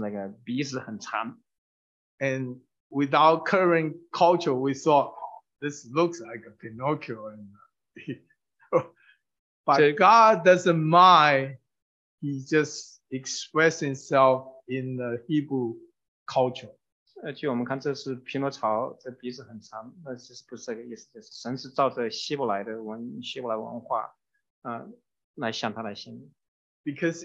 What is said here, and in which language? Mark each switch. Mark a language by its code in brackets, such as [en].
[zh] 在希伯来文中这个不轻易发怒的原文是那个鼻子很长。 [en] And without current culture, we thought, this looks like a Pinocchio. And but God doesn't mind. He just expressed himself in the Hebrew culture. [zh] 据我们看，这是匹诺曹，这鼻子很长，那其实不是这个意思，就是神是照着希伯来的文化，来向他来行。 [en] Because